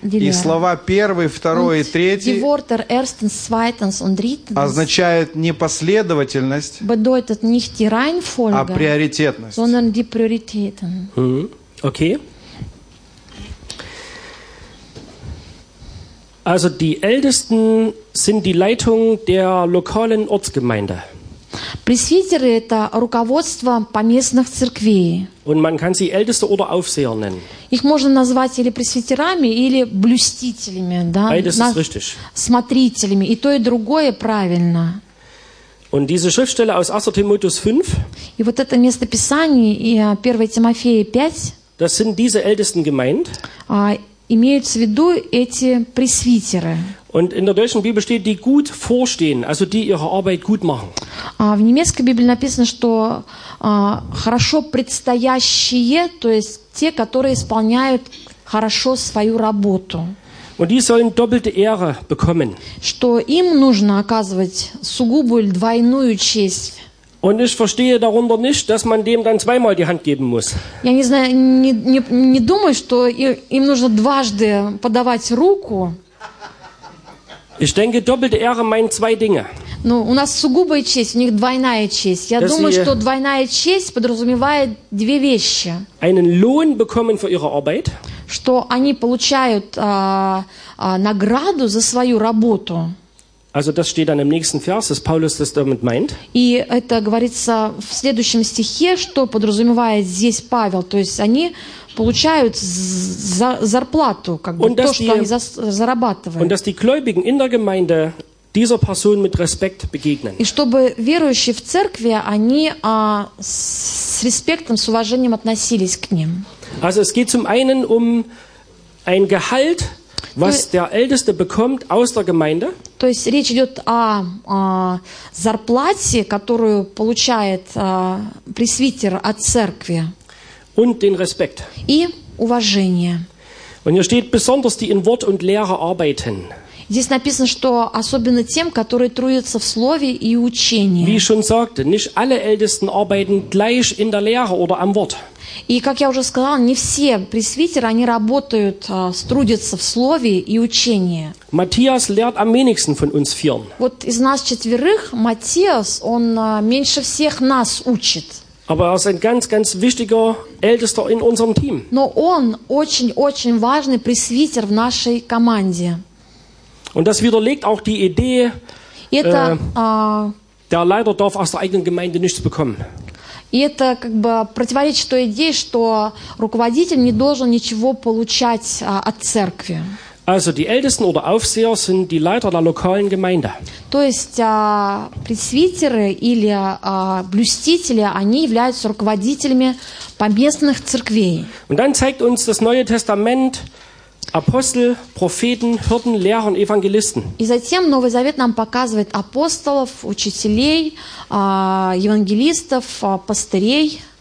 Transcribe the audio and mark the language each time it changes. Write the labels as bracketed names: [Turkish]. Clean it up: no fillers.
[Russian] и слова первый, второй и третий [German] Worter, erstens, zweitens, drittens, [Russian] означают не последовательность, [German] bedeutet nicht die Reihenfolge, [Russian] а приоритетность. [German] Sondern die Prioritäten. Okay. Also die Ältesten sind die Leitung der lokalen Ortsgemeinde. [Russian] Пресвитеры – это руководство поместных церквей. [German] Und man kann sie Älteste oder Aufseher nennen. [Russian] Их можно назвать или пресвитерами, или блюстителями, да? [German] Beides ist richtig. [Russian] Смотрителями. И то, и другое правильно. [German] Und diese Schriftstelle aus 1. Timotheus 5, [Russian] и вот это местописание, 1 Тимофея 5, [German] das sind diese Ältesten gemeint, [Russian] имеются в виду эти пресвитеры. [German] Und in der deutschen Bibel steht, die gut vorstehen, also die ihre Arbeit gut machen. [Russian] В немецкой Библии написано, что хорошо предстоящие, то есть те, которые исполняют хорошо свою работу. [German] Und die sollen doppelte Ehre bekommen. [Russian] Что им нужно оказывать сугубую или двойную честь. [German] Und ich verstehe darunter nicht, dass man dem dann zweimal die Hand geben muss. [Russian] Я не знаю, не думаю, что им нужно дважды подавать руку. [German] Ich denke, doppelte Ehre meint zwei Dinge. [Russian] Ну, у нас сугубая честь, у них двойная честь. Я [German] dass [Russian] думаю, что двойная честь подразумевает две вещи. [German] Einen Lohn bekommen für ihre Arbeit. [Russian] Что они получают награду за свою работу. [German] Also das steht dann im nächsten Vers, dass Paulus das damit meint. [Russian] И это говорится в следующем стихе, что подразумевает здесь Павел. То есть они получают зарплату, как бы, то, что они зарабатывают. [German] Und dass die Gläubigen in der Gemeinde dieser Person mit Respekt begegnen. [Russian] И чтобы верующие в церкви, они с респектом, с уважением относились к ним. [German] Also es geht zum einen um ein Gehalt, was der Älteste bekommt aus der Gemeinde. [Russian] То есть речь идет о зарплате, которую получает пресвитер от церкви. [German] Und den Respekt. [Russian] И уважение. [German] Und hier steht besonders die in Wort und Lehre arbeiten. [Russian] Здесь написано, что особенно тем, которые трудятся в слове и учении. [German] Wie schon sagte, nicht alle Ältesten arbeiten gleich in der Lehre oder am Wort. [Russian] И как я уже сказал, не все пресвитеры, они работают, трудятся в слове и учении. [German] Matthias lehrt am wenigsten von uns vieren. [Russian] Вот из нас четверых Матиас, он меньше всех нас учит. [German] Aber er ist ein ganz, ganz wichtiger Ältester in unserem Team. [Russian] Но он очень-очень важный пресвитер в нашей команде. [German] Und das widerlegt auch die Idee, der Leiter darf aus der eigenen Gemeinde nichts bekommen. [Russian] И это как бы противоречит той идее, что руководитель не должен ничего получать от церкви. [German] Also die Ältesten oder Aufseher sind die Leiter der lokalen Gemeinde. [Russian] То есть пресвитеры или блюстители, они являются руководителями поместных церквей. [German] Und dann zeigt uns das Neue Testament Apostel, Propheten, Hirten, Lehrer und Evangelisten. [Russian] И затем Новый Завет нам показывает апостолов, учителей, евангелистов, пастырей.